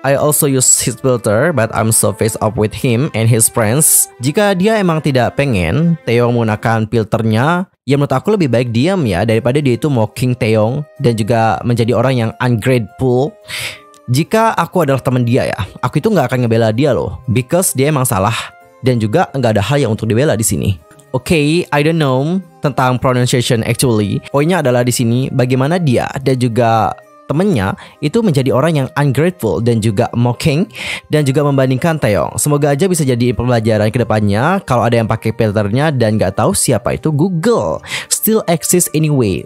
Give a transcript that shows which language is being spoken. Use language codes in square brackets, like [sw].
[en] I also use his filter, but I'm so face up with him and his friends. [id] Jika dia emang tidak pengen Taeyong menggunakan filternya, ya menurut aku lebih baik diam ya, daripada dia itu mocking Taeyong dan juga menjadi orang yang ungrateful. Jika aku adalah teman dia ya, aku itu gak akan ngebela dia loh, [en] because [id] dia emang salah. Dan juga nggak ada hal yang untuk dibela di sini. [en] Okay, I don't know [id] tentang [en] pronunciation actually. [id] Poinnya adalah di sini bagaimana dia dan juga temennya itu menjadi orang yang ungrateful dan juga mocking dan juga membandingkan Taeyong. Semoga aja bisa jadi pembelajaran kedepannya. Kalau ada yang pakai filternya dan nggak tahu siapa itu, [en] Google still exists anyway.